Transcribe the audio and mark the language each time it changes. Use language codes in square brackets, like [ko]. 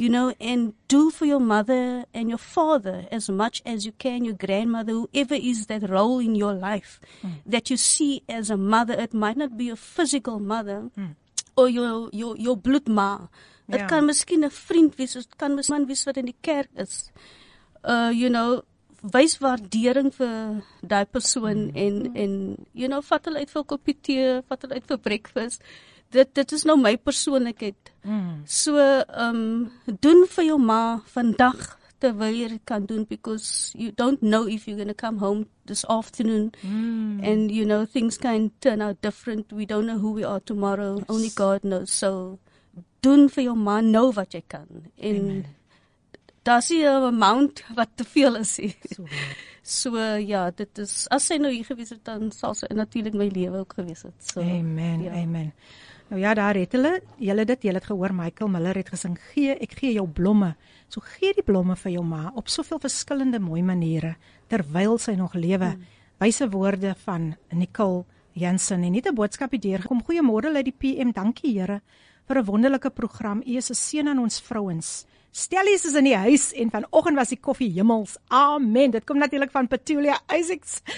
[en] You know, and do for your mother and your father as much as you can, your grandmother, whoever is that role in your life that you see as a mother. It might not be a physical mother or your blood ma. [af] Dit kan miskien 'n vriend wees, dit kan 'n man wees wat in die kerk is. You know, wys waardering vir daai persoon en you know, vat hulle uit vir 'n koppie tee, vat hulle uit vir breakfast. Dit is nou my persoonlikheid. So doen vir jou ma vandag terwyl jy kan doen, [en] because you don't know if you're going to come home this afternoon and you know things can turn out different. We don't know who we are tomorrow. Yes. Only God knows. [af] So doen vir jou ma nou wat jy kan. En daar sien 'n amount wat te veel is. So ja, dit is, as sy nou hier gewees het, dan sal sy natuurlik my lewe ook gewees het. So, amen, ja. Amen. Nou ja, daar het hulle, julle het gehoor, Michael Miller het gesing, ek gee jou blomme. So gee die blomme vir jou ma, op soveel verskillende mooie maniere, terwyl sy nog lewe. Wyse woorde van Nicole Jansen, en het 'n boodskapie deurgekom. Goeiemôre uit die PM, dankie Here vir 'n wonderlike program. U is 'n seën aan ons vrouens. Stellies is in die huis en vanoggend was die koffie hemels. Amen. Dit kom natuurlik van Petulia Isaacs.